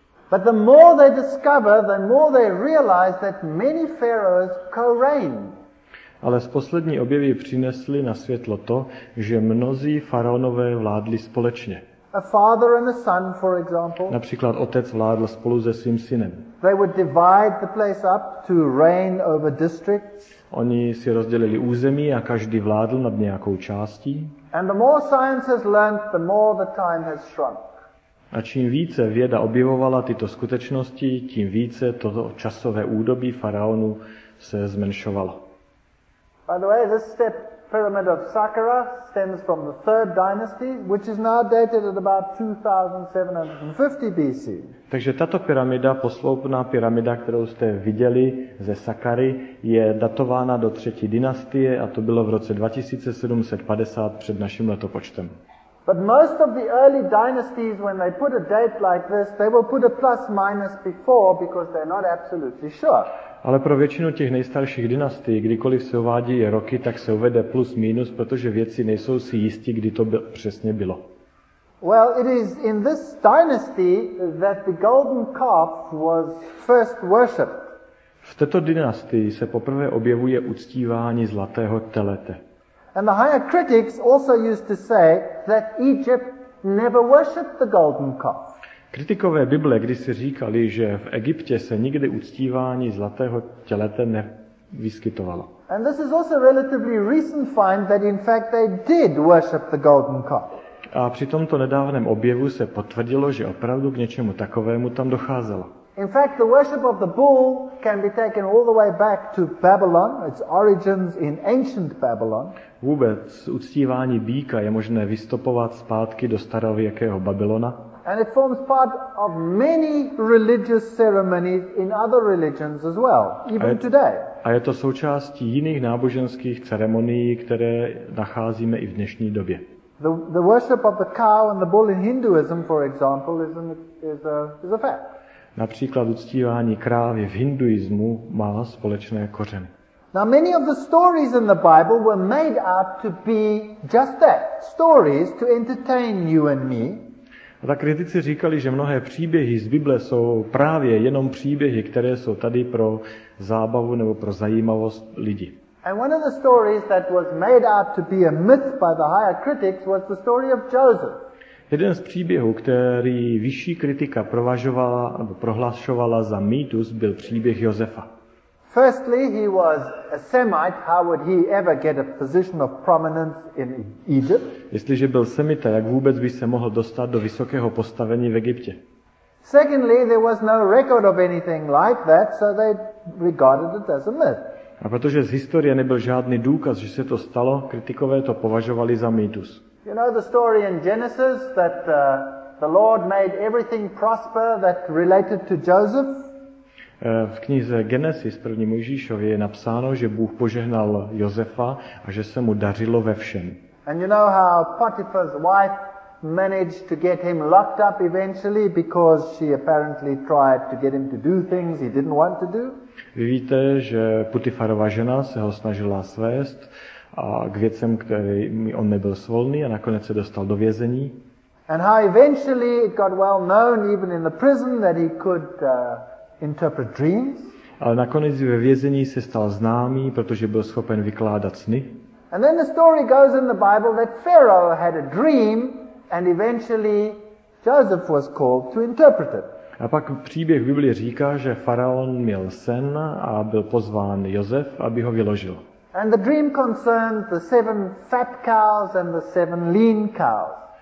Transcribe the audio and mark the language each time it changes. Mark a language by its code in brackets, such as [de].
[en] But the more they discover, the more they realize that many pharaohs co-reigned. [cs] Ale z poslední objevy přinesli na světlo to, že mnozí faraonové vládli společně. [en] A father and a son, for example. [cs] Například otec vládl spolu se svým synem. [en] They would divide the place up to reign over districts. [cs] Oni si rozdělili území a každý vládl nad nějakou částí. [en] And the more science has learned, the more the time has shrunk. [cs] A čím více věda objevovala tyto skutečnosti, tím více toto časové údobí faraonu se zmenšovalo. [en] By the way, this step pyramid of Saqqara stems from the 3rd dynasty, which is now dated at about 2750 BC. [cs] Takže tato pyramida, posloupná pyramida, kterou jste viděli ze Saqqary, je datována do 3. dynastie a to bylo v roce 2750 před naším letopočtem. [en] But most of the early dynasties, when they put a date like this, they will put a plus minus before because they're not absolutely sure. [cs] Ale pro většinu těch nejstarších dynastií, kdykoliv se uvádí roky, tak se uvede plus minus, protože věci nejsou si jistí, kdy to přesně bylo. [en] Well, it is in this dynasty that the golden calf was first worshipped. [cs] V této dynastii se poprvé objevuje uctívání zlatého telete. [en] And the higher critics also used to say that Egypt never worshipped the golden calf. [cs] Kritikové Bible kdysi říkali, že v Egyptě se nikdy uctívání zlatého telete nevyskytovalo. [en] And this is also a relatively recent find that in fact they did worship the golden calf. [cs] A při tomto nedávném objevu se potvrdilo, že opravdu k něčemu takovému tam docházelo. [en] In fact, the worship of the bull can be taken all the way back to Babylon, its origins in ancient Babylon. [cs] Vůbec uctívání býka je možné vystopovat zpátky do starověkého Babylona. [en] And it forms part of many religious ceremonies in other religions as well, even today. [cs] A je to součástí jiných náboženských ceremonií, které nacházíme i v dnešní době. [en] The worship of the cow and the bull in Hinduism, for example, is a fact. [cs] Například uctívání krávy v hinduismu má společné kořeny. [en] Now many of the stories in the Bible were made up to be just that, stories to entertain you and me. [cs] A tak kritici říkali, že mnohé příběhy z Bible jsou právě jenom příběhy, které jsou tady pro zábavu nebo pro zajímavost lidí. [en] And one of the stories that was made up to be a myth by the higher critics was the story of Joseph. [cs] Jeden z příběhů, který vyšší kritika provažovala nebo prohlašovala za mýtus, byl příběh Josefa. [en] Firstly, he was a Semite. How would he ever get a position of prominence in Egypt? [cs] Jestliže byl Semita, jak vůbec by se mohl dostat do vysokého postavení v Egyptě? [en] Secondly, there was no record of anything like that, so they regarded it as a myth. [cs] A protože z historie nebyl žádný důkaz, že se to stalo, kritikové to považovali za mýtus. [en] You know the story in Genesis that the Lord made everything prosper that related to Joseph? [cs] V knize Genesis první Mojžíšově je napsáno, že Bůh požehnal Josefa a že se mu dařilo ve všem. [en] And you know how Potiphar's wife managed to get him locked up eventually because she apparently tried to get him to do things he didn't want to do? [cs] Vy víte, že Potifarova žena se ho snažila svést a k věcem, který on nebyl svolný a nakonec se dostal do vězení. [en] And how eventually it got well known even in the prison that he could interpret dreams. [cs] Ale nakonec ve vězení se stal známý, protože byl schopen vykládat sny. [en] And then the story goes in the Bible that Pharaoh had a dream and eventually Joseph was called to interpret it. [cs] A pak příběh Biblie říká, že faraon měl sen a byl pozván Josef, aby ho vyložil. [en] And the dream concerned the 7 fat cows and the 7 lean cows.